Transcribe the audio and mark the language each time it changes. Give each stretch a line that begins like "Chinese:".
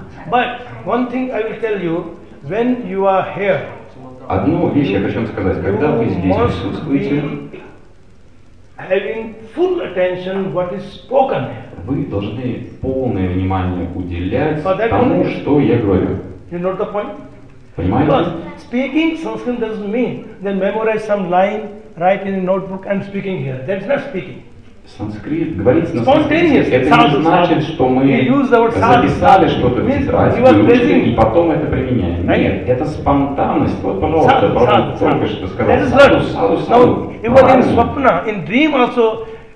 English: But one thing I will tell you, when you are here,
Russian: одну вещь я хочу вам сказать, когда вы здесь присутствуете,
English: having full attention what is spoken.
Russian: Вы должны полное внимание уделять тому, что я говорю.
English: You know the point?
Russian: Понимаете?
English: Because speaking Sanskrit doesn't mean then memorize some line, write in a notebook and speaking here. That's not speaking.
Russian: Санскрит, говорить на санскрите, это не значит, что мы записали что-то в тетради, выучили и потом это применяем. Нет, это спонтанность. Вот, пожалуйста, только что сказал.
English: Саду. Even in swapna, in dream also,